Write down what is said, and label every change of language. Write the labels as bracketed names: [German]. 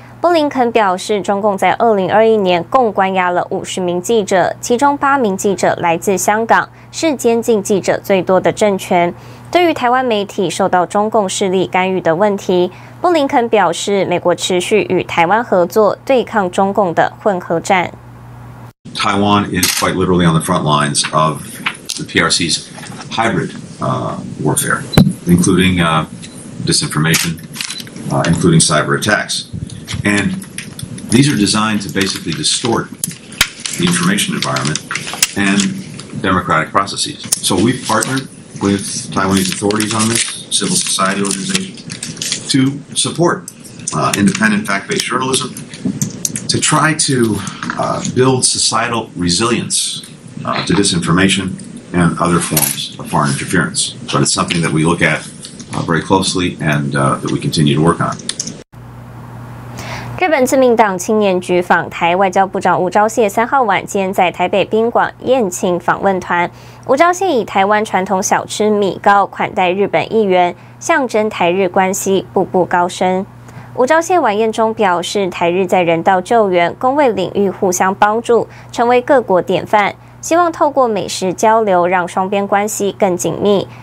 [Chinese] 布林肯表示，中共在2021年共关押了50名记者，其中8名记者来自香港，是监禁记者最多的政权。对于台湾媒体受到中共势力干预的问题，布林肯表示，美国持续与台湾合作，对抗中共的混合战。 [English] Taiwan is quite literally on the front lines of the PRC's hybrid warfare, including disinformation, including cyber attacks. And these are designed to basically distort the information environment and democratic processes. So we've partnered with Taiwanese authorities on this, civil society organizations, to support independent fact-based journalism,to try to build societal resilience to disinformation and other forms of foreign interference. But it's something that we look at very closely and that we continue to work on. [Chinese] 日本自民党青年局访台，外交部长吴钊燮三号晚间在台北宾馆宴请访问团。吴钊燮以台湾传统小吃米糕款待日本议员，象征台日关系步步高升。吴钊燮晚宴中表示，台日在人道救援、公卫领域互相帮助，成为各国典范，希望透过美食交流让双边关系更紧密。